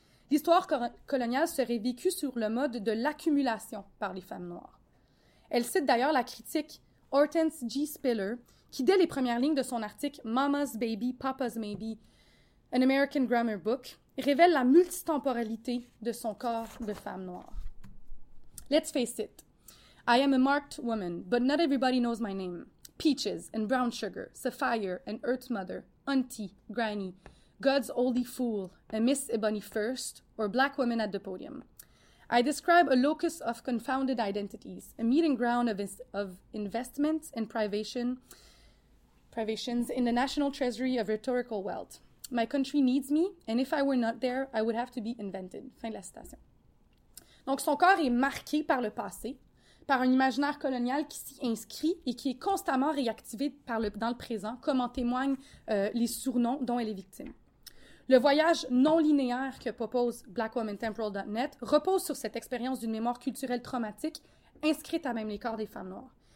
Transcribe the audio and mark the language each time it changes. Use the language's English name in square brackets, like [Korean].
[French] L'histoire coloniale serait vécue sur le mode de l'accumulation par les femmes noires. Elle cite d'ailleurs la critique Hortense G. Spiller, qui dès les premières lignes de son article « Mama's Baby, Papa's Maybe, An American Grammar Book » révèle la multitemporalité de son corps de femme noire. [English] Let's face it, I am a marked woman, but not everybody knows my name. Peaches and brown sugar, Sapphire and Earth Mother, Auntie, Granny, God's only fool, a Miss Ebony First, or Black woman at the podium. I describe a locus of confounded identities, a meeting ground of investment and privations in the national treasury of rhetorical wealth. My country needs me, and if I were not there, I would have to be invented. [French] Fin de la citation. Donc, son corps est marqué par le passé, par un imaginaire colonial qui s'y inscrit et qui est constamment réactivé dans le présent, comme en témoignent les surnoms dont elle est victime. Le voyage non linéaire que propose blackwomantemporal.net repose sur cette expérience d'une mémoire culturelle traumatique inscrite à même les corps des femmes noires.